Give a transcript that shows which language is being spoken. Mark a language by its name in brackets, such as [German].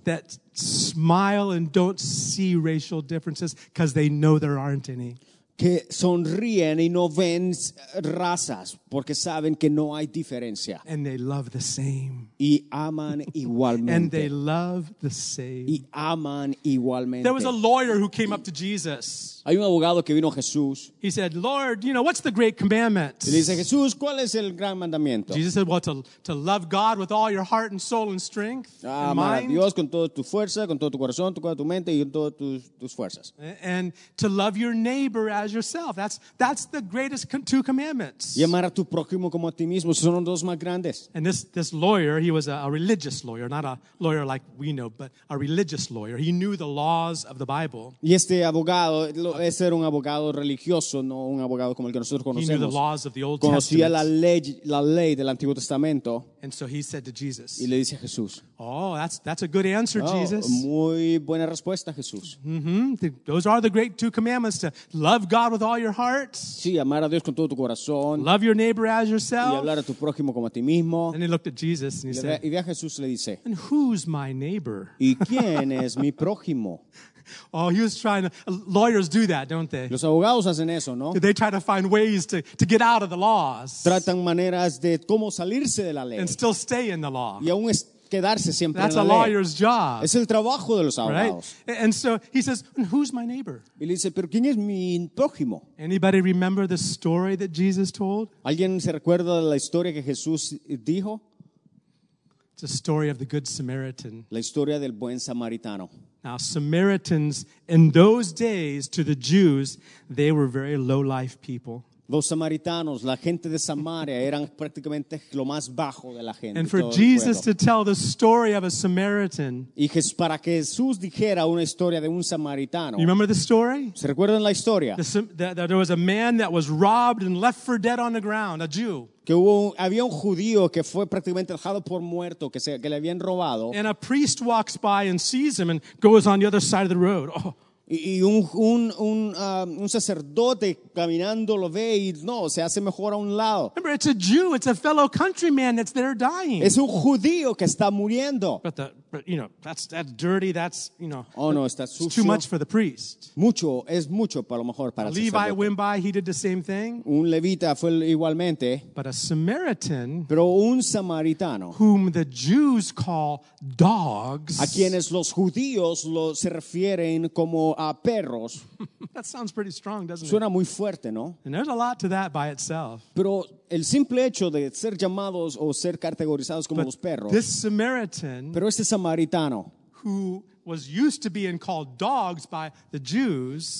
[English] That smile and don't see racial differences because they know there aren't any. [Spanish] Que sonríen y no ven razas porque saben que no hay diferencia. [English] And they love the same. [Spanish] Y aman igualmente. [English] And they love the same. [Spanish] Y aman igualmente. [English] There was a lawyer who came up to Jesus. [Spanish] Hay un abogado que vino a Jesús. [English] He said, Lord, you know, what's the great commandment? [Spanish] Y dice, Jesús, ¿cuál es el gran mandamiento? [English] Jesus said, well, to love God with all your heart and soul and strength and mind. [Spanish] A Dios con toda tu fuerza, con todo tu corazón, con toda tu mente y con todas tus fuerzas. [English] And to love your neighbor as yourself. That's the greatest two commandments. [Spanish] Y amar a tu prójimo como a ti mismo. Esos son dos más grandes. [English] And this lawyer, he was a religious lawyer, not a lawyer like we know, but a religious lawyer. He knew the laws of the Bible. [Spanish] Y este abogado, ese era un abogado religioso, no un abogado como el que nosotros conocemos. [English] He knew the laws of the Old Testament. [Spanish] Conocía la ley del Antiguo Testamento. [English] And so he said to Jesus. [Spanish] Y le dice a Jesús. [English] Oh, that's a good answer, Jesus. [Spanish] Muy buena respuesta, Jesús. Mm-hmm. [English] Those are the great two commandments to love God with all your heart. [Spanish] Sí, amar a Dios con todo tu corazón. [English] Love your neighbor as yourself. [Spanish] Y hablar a tu prójimo como a ti mismo. [English] And he looked at Jesus and he said. [Spanish] Y ve a Jesús le dice. [English] And who's my neighbor? [Spanish] ¿Y quién es mi prójimo? [English] Oh, he was trying to. Lawyers do that, don't they? [Spanish] Los abogados hacen eso, ¿no? [English] They try to find ways to get out of the laws. [Spanish] Tratan maneras de cómo salirse de la ley. [English] And still stay in the law. [Spanish] Y aún quedarse siempre [English] that's [Spanish] en la ley. [English] Lawyer's job. [Spanish] Es el trabajo de los abogados. [English] Right? And so he says, "Who's my neighbor?" [Spanish] Y le dice, ¿pero quién es mi prójimo? [English] Anybody remember the story that Jesus told? [Spanish] ¿Alguien se recuerda de la historia que Jesús dijo? [English] It's a story of the Good Samaritan. [Spanish] La historia del buen samaritano. [English] Now, Samaritans in those days to the Jews, they were very low-life people. [Spanish] Los samaritanos, la gente de Samaria, eran prácticamente lo más bajo de la gente. [English] And for Jesus to tell the story of a Samaritan, [Spanish] y para que Jesús dijera una historia de un samaritano. [English] You remember the story? [Spanish] ¿Se recuerdan la historia? [English] That there was a man that was robbed and left for dead on the ground, a Jew. [Spanish] Que había un judío que fue prácticamente dejado por muerto, que le habían robado. [English] And a priest walks by and sees him and goes on the other side of the road. Oh. [Spanish] Y un sacerdote caminando lo ve y no, se hace mejor a un lado. [English] Remember, it's a Jew, it's a fellow countryman that's there dying. [Spanish] Es un judío que está muriendo. [English] But you know, that's dirty, that's, you know, [Spanish] oh, no, está sucio. [English] It's too much for the priest. [Spanish] Mucho, es mucho para lo mejor para el sacerdote. [English] Levi went by, he did the same thing. [Spanish] Un levita fue igualmente. [English] But a Samaritan, [Spanish] pero un samaritano, [English] whom the Jews call dogs, [Spanish] a quienes los judíos se refieren como a perros. [English] That sounds pretty strong, doesn't [Spanish] suena [English] it? [Spanish] Suena muy fuerte, ¿no? [English] And there's a lot to that by itself. [Spanish] Pero el simple hecho de ser llamados o ser categorizados como [English] but [Spanish] los perros. [English] This Samaritan, [Spanish] pero este samaritano, [English] who was used to being called dogs by the Jews,